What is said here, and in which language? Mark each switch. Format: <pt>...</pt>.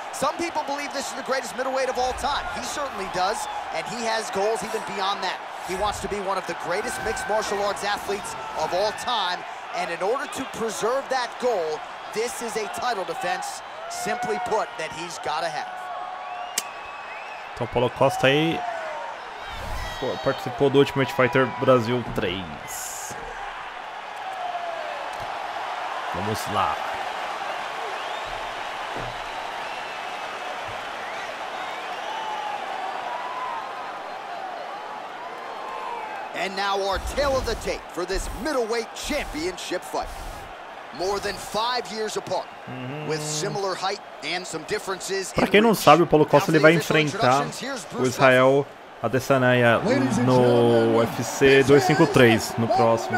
<en>Some people believe this is the greatest middleweight of all time. He certainly does, and he has goals even beyond that. He wants to be one of the greatest mixed martial arts athletes of all time, and in order to preserve that goal, this is a title defense. Simply put, that he's gotta have.</en> <pt>Então, Paulo Costa aí participou do Ultimate Fighter Brasil 3. Vamos lá.</pt> <en>And now our tale of the tape for this middleweight championship fight. More than 5 years apart, with similar height and some differences.</en> <pt>Pra quem não sabe, o Paulo Costa ele vai enfrentar o Israel Adesanya no UFC 253 no próximo.</pt>